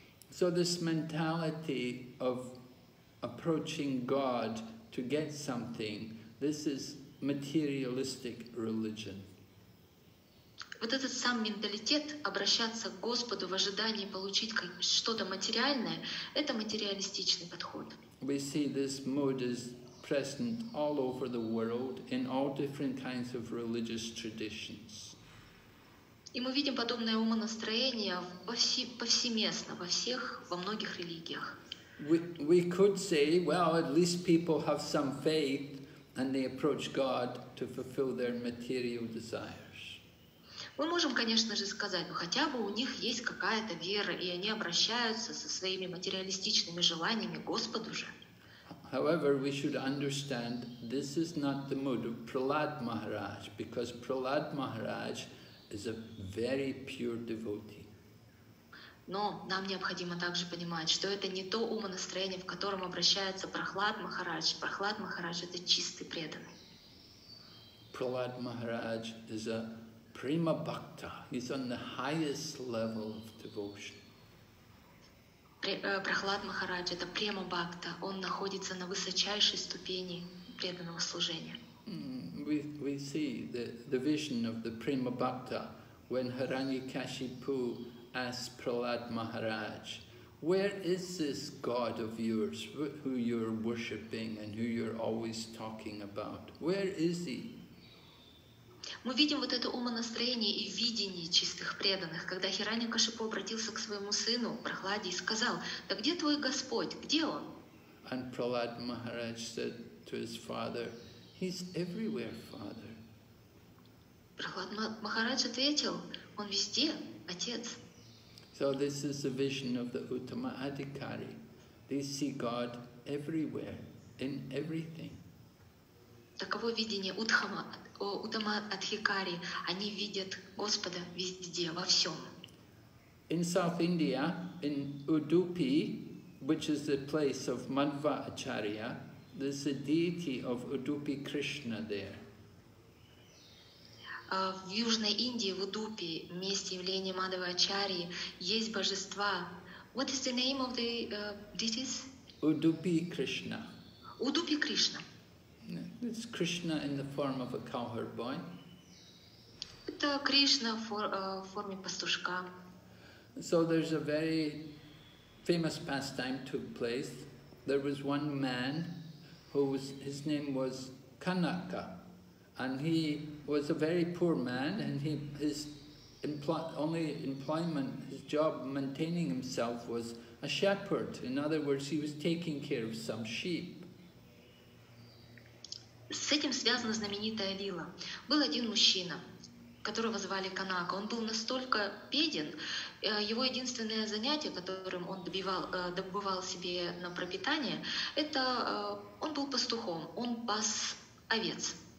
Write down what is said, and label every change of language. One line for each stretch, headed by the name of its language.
English: So this mentality of approaching God to get something, this is materialistic religion.
Russian: Вот этот сам менталитет обращаться к Господу в ожидании получить что-то материальное — это материалистичный подход.
English: We see this mood is present all over the world in all different kinds of religious traditions.
Russian: И мы видим подобное умонастроение повсеместно во многих религиях.
English: We could say, well, at least people have some faith and they approach God to fulfill their material desires.
Russian: Мы можем, конечно же, сказать, но хотя бы у них есть какая-то вера, и они обращаются со своими материалистичными желаниями к Господу же.
English: However, we should understand this is not the mood of Prahlad Maharaj, because Prahlad Maharaj is a very pure devotee.
Russian: Но нам необходимо также понимать, что это не то умонастроение, в котором обращается Прахлад Махарадж. Прахлад Махарадж — это чистый преданный.
English: Prahlad Maharaj is a Prima Bhakta, he's on the highest level of devotion.
Russian: Прахлад Махарадж, это Према Бхакта, он находится на высочайшей ступени преданного служения.
English: We see the vision of the Prima Bhakta when Hiranyakashipu asks Prahlad Maharaj, where is this God of yours who you're worshipping and who you're always talking about? Where is he?
Russian: Мы видим вот это умонастроение и видение чистых преданных, когда Хираньякашипу обратился к своему сыну Прохладе и сказал: «Да где твой Господь? Где он?»
English: And Prahlad Maharaj said to his father, «He's everywhere, father».
Russian: Прохлад Махарадж ответил: «Он везде, отец».
English: So this is the vision of the Uttama Adhikari. They see God everywhere, in everything.
Russian: Таково видение Уттама. Уттама Адхикари, они видят Господа везде, во всем.
English: In South India, in Udupi, which is the place of Madhva Acharya, there's a deity of Udupi Krishna there.
Russian: В Южной Индии, в Удупи, месте явления Мадхва Ачарьи, есть божества.
English: What is the name of the deities? Udupi Krishna. Udupi Krishna. It's Krishna in the form of a cowherd boy.
Russian: Это Кришна в форме пастушка.
English: So there's a very famous pastime took place. There was one man whose his name was Kanaka, and he was a very poor man, and his job maintaining himself was a shepherd. In other words, he was taking care of some sheep.
Russian: С этим связана знаменитая лила. Был один мужчина, которого звали Канака. Он был настолько беден, его единственное занятие, которым он добывал себе на пропитание, это он был пастухом, он пас овец.